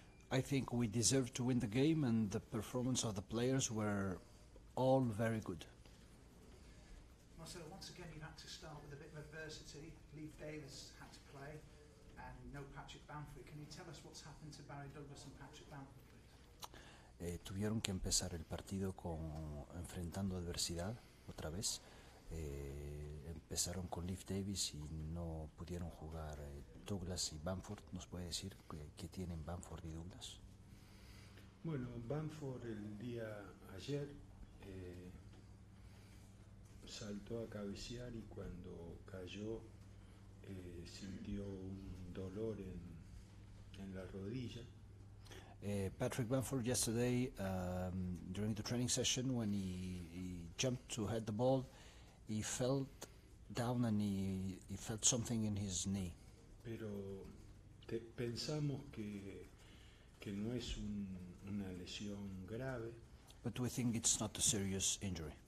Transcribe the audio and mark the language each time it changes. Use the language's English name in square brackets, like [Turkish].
[English] I think we deserve to win the game and the performance of the players were all very good. Marcelo, once again you had to start with a bit of adversity. Leif Davis had to play and no Patrick Bamford. Can you tell us what's happened to Barry Douglas and Patrick Bamford? [Spanish] Tuvieron que empezar el partido enfrentando adversidad otra vez. Empezaron con Leif Davis y no pudieron jugar Douglas y Bamford. ¿Nos puede decir qué tienen Bamford y Douglas? Bueno, Bamford el día ayer saltó a cabecear y cuando cayó sintió un dolor en la rodilla. [English] Patrick Bamford yesterday, during the training session, when he jumped to head the ball, he fell down and he felt something in his knee. [Spanish] Pero pensamos que no es una lesión grave. [English] But we think it's not a serious injury.